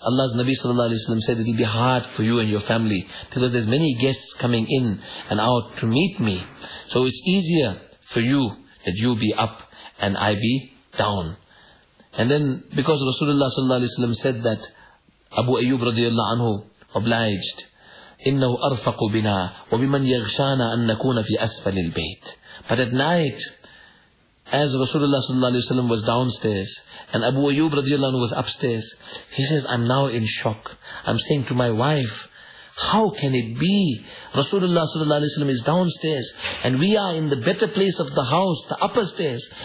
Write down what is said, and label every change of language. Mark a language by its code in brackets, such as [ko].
[en] Allah's Nabi sallallahu alaihi wasallam said, it'll be hard for you and your family because there's many guests coming in and out to meet me. So it's easier for you that you be up and I be down. And then because Rasulullah sallallahu alaihi wasallam said that, Abu Ayyub radiallahu anhu obliged. [ar] إنه أرفق بنا وبمن يغشانا أن نكون في أسفل البيت. [en] But at night, as Rasulullah sallallahu alaihi wasallam was downstairs and Abu Ayyub radiallahu anhu was upstairs, he says, I'm now in shock. I'm saying to my wife, how can it be? Rasulullah sallallahu alaihi wasallam is downstairs and we are in the better place of the house, the upper stairs.